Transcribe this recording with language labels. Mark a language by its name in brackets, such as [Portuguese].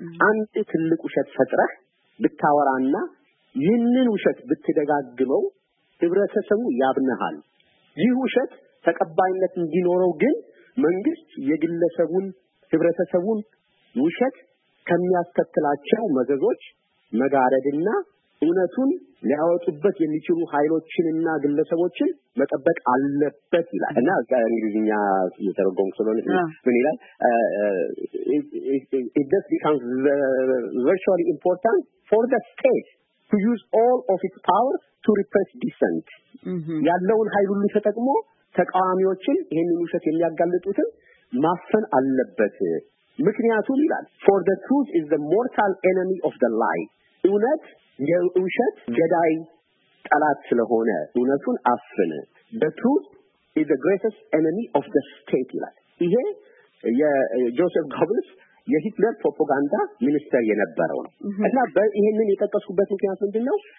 [Amharic] አንድ ትልቅ ውሸት ፈጥረህ ብታወራና ይህንን ውሸት ብትደጋግመው ህብረተሰቡ ያብነሃል። ይህ ውሸት ተቀባይነት እንዲኖረው ግን መንግስት የግለሰቡን ህብረተሰቡን ውሸት ከሚያስከትላቸው መዘዞች መጋረድና እውነቱን ሊያወጡበት የሚችሉ ኃይሎችንና ግለሰቦችን መጠበቅ አለበት ይላል። እና እንግሊዝኛ የተረጎም ስለሆነ ምን ይላል? [English] It just becomes virtually important for the state to use all of its power to repress dissent. [Amharic] ያለውን ኃይል ሁሉ ተጠቅሞ ተቃዋሚዎችን ይህንን ውሸት የሚያጋልጡትን ማፈን አለበት። ምክንያቱም ይላል [English] for the truth is the mortal enemy of the lie. [Amharic] እውነት የውሸት ገዳይ ጠላት ስለሆነ እውነቱን አፍን። [English] the truth is the greatest enemy of the state [Amharic] ይላል። ይሄ የጆሴፍ ጎብልስ የሂትለር ፕሮፓጋንዳ ሚኒስተር የነበረው ነው። እና ይሄንን የጠቀስኩበት ምክንያት ምንድነው?